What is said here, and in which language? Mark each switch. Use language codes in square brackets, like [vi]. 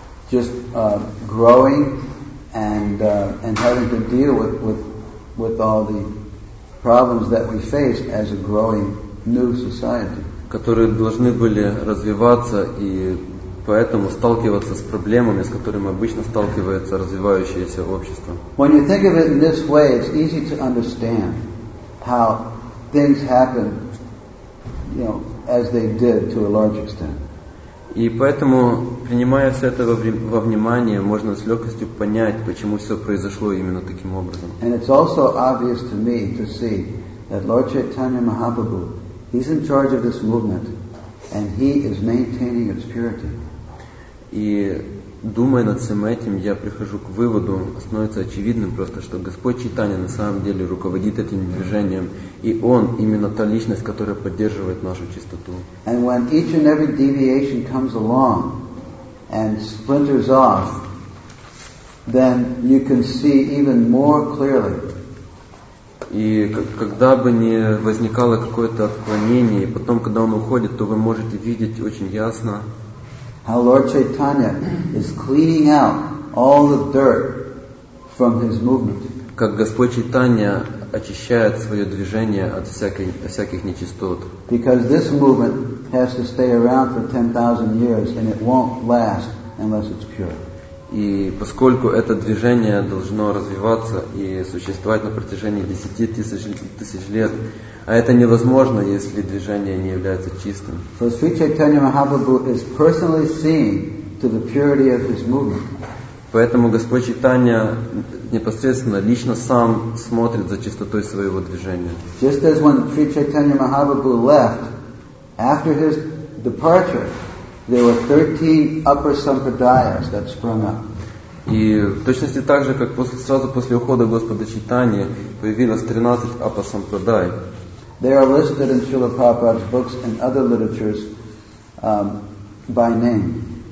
[en] Just growing and having to deal with all the problems that we face as a growing new society. [ru] Которые должны были развиваться и поэтому сталкиваться с проблемами, с которыми обычно сталкивается развивающееся общество. [en] When you think of it in this way, it's easy to understand how things happen, you know, as they did to a large extent. [ru] И поэтому, принимая все это во внимание, можно с легкостью понять, почему все произошло именно таким образом. [en] And it's also obvious to me to see that Lord Chaitanya Mahaprabhu, he's in charge of this movement, and he is maintaining its purity. [ru] И думая над всем этим, я прихожу к выводу, становится очевидным просто, что Господь Чайтанья на самом деле руководит этим движением, и Он именно та личность, которая поддерживает нашу чистоту. [en] And when each and every deviation comes along and splinters off, then you can see even more clearly. [ru] И когда бы ни возникало какое-то отклонение, и потом, когда он уходит, то вы можете видеть очень ясно, [en] how Lord Chaitanya is cleaning out all the dirt from his movement. [ru] Как Господь Чайтанья очищает свое движение от всяких нечистот. [en] Because this movement has to stay around for 10,000 years, and it won't last unless it's pure. [ru] И поскольку это движение должно развиваться и существовать на протяжении 10 тысяч лет, А это невозможно, если движение не является чистым. [en] So Sri Chaitanya Mahaprabhu is personally seeing to the purity of his movement. [ru] Поэтому Господь Чайтанья непосредственно лично сам смотрит за чистотой своего движения. [en] Just as when Sri Chaitanya Mahaprabhu left, after his departure, there were 13 upper sampradayas that sprung up. [ru] И в точности так же, как после, сразу после ухода Господа Чайтаньи появилось 13 upper sampradaya. [en] They are listed in Srila Prabhupada's books and other literatures by name.